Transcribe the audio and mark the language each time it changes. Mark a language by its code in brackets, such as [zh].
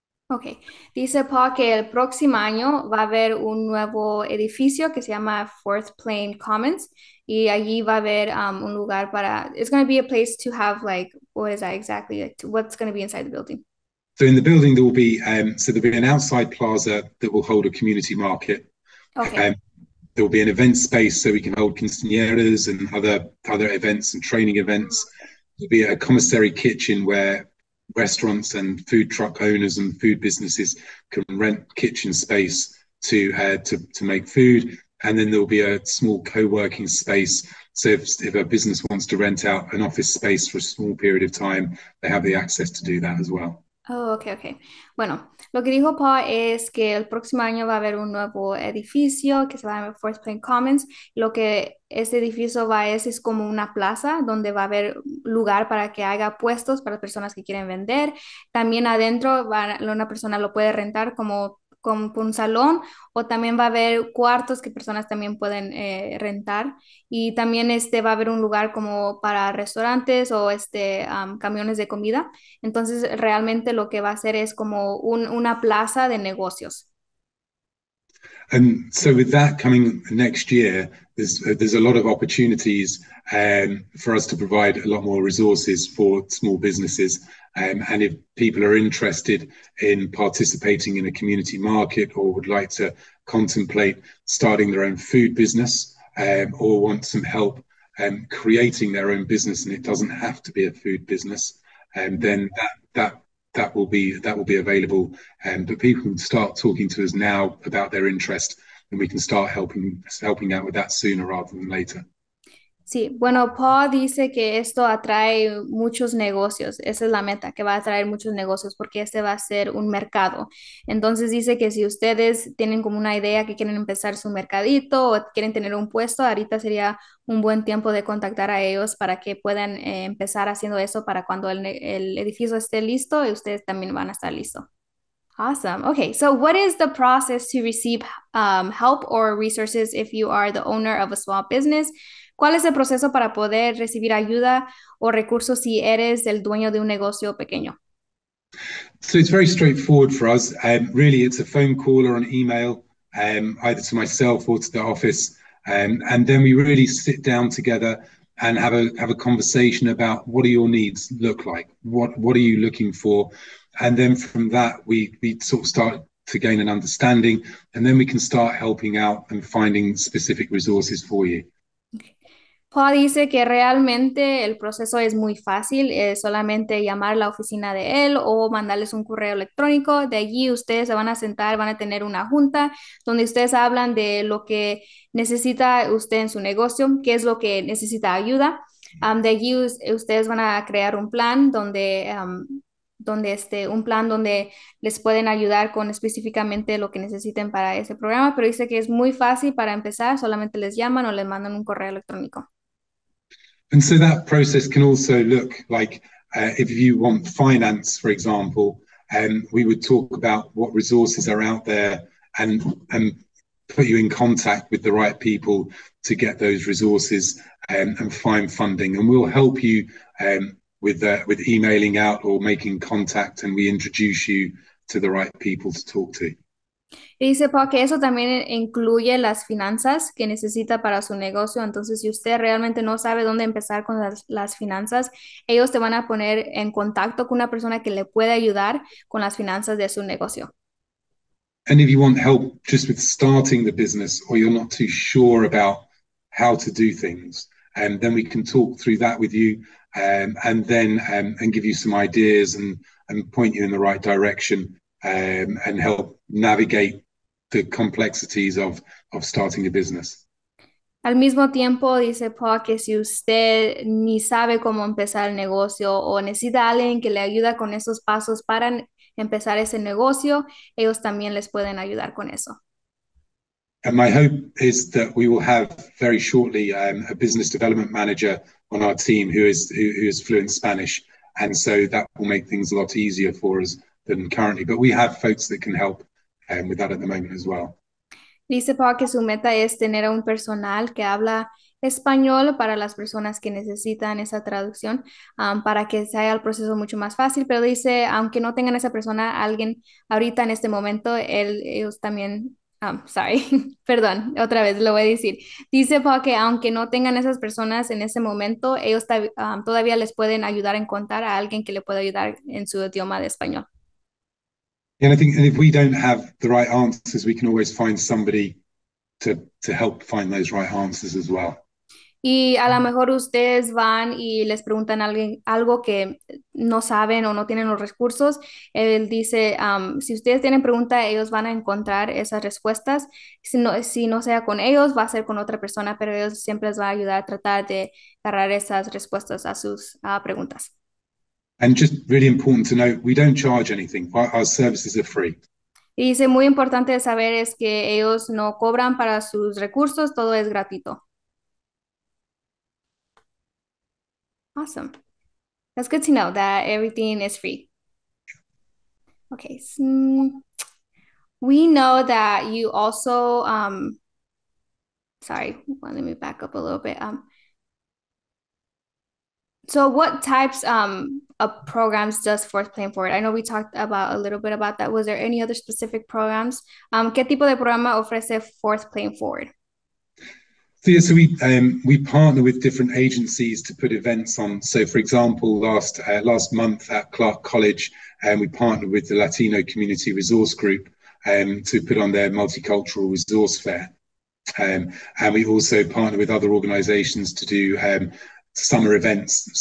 [es] Okay, dice Paul que el próximo año va a haber un nuevo edificio que se llama Fourth Plain Commons y allí va a haber un lugar para. [en] It's going to be a place to have like, what is that exactly? Like, what's going to be inside the building? So in the building there will be there'll be an outside plaza that will hold a community market. Okay. There will be an event space so we can hold quinceañeras and other events and training events. There'll be a commissary kitchen where restaurants and food truck owners and food businesses can rent kitchen space to make food. And then there'll be a small co-working space. So if a business wants to rent out an office space for a small period of time, they have the access to do that as well. Oh, okay. [es] Bueno, lo que dijo Pa es que el próximo año va a haber un nuevo edificio que se va a llamar Fourth Plain Commons. Lo que este edificio va a es como una plaza donde va a haber lugar para que haga puestos para personas que quieren vender. También adentro una persona lo puede rentar como un salón o también va a haber cuartos que personas también pueden rentar y también va a haber un lugar como para restaurantes o camiones de comida. Entonces realmente lo que va a ser es como una plaza de negocios. [en] And so with that coming next year, there's a lot of opportunities for us to provide a lot more resources for small businesses. And if people are interested in participating in a community market or would like to contemplate starting their own food business or want some help creating their own business, and it doesn't have to be a food business, then that will be available, but people can start talking to us now about their interest, and we can start helping out with that sooner rather than later. [es] Sí, bueno, Paul dice que esto atrae muchos negocios. Esa es la meta, que va a atraer muchos negocios porque este va a ser un mercado. Entonces dice que si ustedes tienen como una idea que quieren empezar su mercadito o quieren tener un puesto, ahorita sería un buen tiempo de contactar a ellos para que puedan empezar haciendo eso para cuando el edificio esté listo y ustedes también van a estar listos. [en] Awesome. Okay, so what is the process to receive help or resources if you are the owner of a small business? [es] ¿Cuál es el proceso para poder recibir ayuda o recursos si eres el dueño de un negocio pequeño? [en] So it's very straightforward for us. Really, it's a phone call or an email, either to myself or to the office, and then we really sit down together and have a conversation about what do your needs look like, what are you looking for, and then from that we sort of start to gain an understanding, and then we can start helping out and finding specific resources for you. [es] Paul dice que realmente el proceso es muy fácil, es solamente llamar a la oficina de él o mandarles un correo electrónico. De allí ustedes se van a sentar, van a tener una junta donde ustedes hablan de lo que necesita usted en su negocio, qué es lo que necesita ayuda. De allí ustedes van a crear un plan un plan donde les pueden ayudar con específicamente lo que necesiten para ese programa, pero dice que es muy fácil para empezar, solamente les llaman o les mandan un correo electrónico. [en] And so that process can also look like if you want finance, for example, we would talk about what resources are out there and put you in contact with the right people to get those resources and find funding. And we'll help you with emailing out or making contact, and we introduce you to the right people to talk to. [es] Y dice Paul que eso también incluye las finanzas que necesita para su negocio. Entonces, si usted realmente no sabe dónde empezar con las finanzas, ellos te van a poner en contacto con una persona que le puede ayudar con las finanzas de su negocio. [en] And if you want help just with starting the business, or you're not too sure about how to do things, and then we can talk through that with you, and give you some ideas and point you in the right direction and help navigate the complexities of starting a business. [es] Al mismo tiempo, dice Paul, que si usted ni sabe cómo empezar el negocio o necesita a alguien que le ayude con esos pasos para empezar ese negocio, ellos también les pueden ayudar con eso. [en] And my hope is that we will have very shortly a business development manager on our team who is fluent Spanish. And so that will make things a lot easier for us than currently. But we have folks that can help with that at the moment as well. [es] Dice Pau que su meta es tener a un personal que habla español para las personas que necesitan esa traducción para que se haga el proceso mucho más fácil. Pero dice, aunque no tengan esa persona, alguien ahorita en este momento, ellos también, [en] sorry, [es] perdón, otra vez lo voy a decir. Dice Pau que aunque no tengan esas personas en ese momento, ellos todavía les pueden ayudar a encontrar a alguien que le pueda ayudar en su idioma de español. [en] And I think if we don't have the right answers, we can always find somebody to help find those right answers as well. [es] Y a lo mejor ustedes van y les preguntan algo que no saben o no tienen los recursos. Él dice, si ustedes tienen pregunta, ellos van a encontrar esas respuestas. Si no sea con ellos, va a ser con otra persona, pero ellos siempre les va a ayudar a tratar de agarrar esas respuestas a sus preguntas. [en] And just really important to note, we don't charge anything. Our services are free. [es] Y dice, muy importante saber es que ellos no cobran para sus recursos, todo es gratuito. [en] Awesome. That's good to know that everything is free. Okay. So we know that you also, let me back up a little bit. So what types of programs does Forth plan for? I know we talked about a little bit about that. Was there any other specific programs? [es] ¿Qué tipo de programa ofrece Forth plan for? [en] So we partner with different agencies to put events on. So for example, last month at Clark College, we partnered with the Latino Community Resource Group to put on their Multicultural Resource Fair. And we also partner with other organizations to do summer events.